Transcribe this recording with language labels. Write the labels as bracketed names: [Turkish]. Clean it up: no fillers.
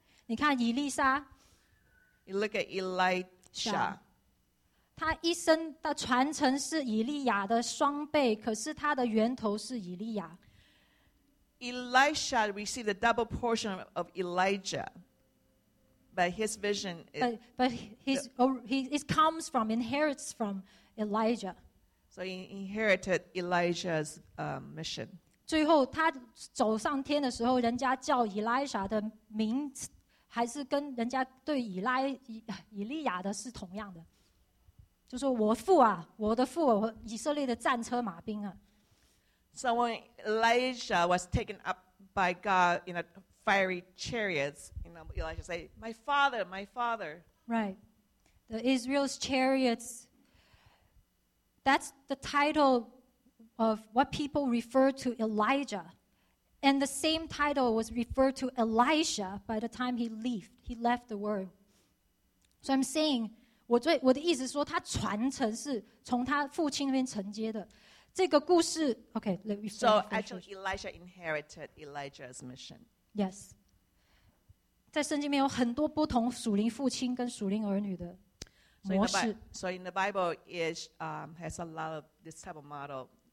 [Chinese] 你看以利沙 [English] You look at Elisha. [Chinese] 他一生的传承是以利亚的双倍，可是他的源头是以利亚。 [English] Elisha received a double portion of Elijah, but his vision is. But it comes from, inherits from Elijah. So he inherited Elijah's mission. [Chinese] 最后他走上天的时候，人家叫以利亚的名字，还是跟人家对以利亚的是同样的。就说我父啊，我的父，我以色列的战车马兵啊。 [English] So when Elijah was taken up by God in a fiery chariot, you know, Elijah said, "My father, my father." Right, the Israel's chariots. That's the title of what people refer to Elijah, and the same title was referred to Elisha by the time he left the world. So I'm saying. [Chinese] 我的意思是说，他传承是从他父亲那边承接的。这个故事 [English] ，Okay, let me finish. So actually, Elisha inherited Elijah's mission. Yes. [Chinese] 在圣经里面有很多不同属灵父亲跟属灵儿女的模式。 [English] So in the Bible, it has a lot of this type of model.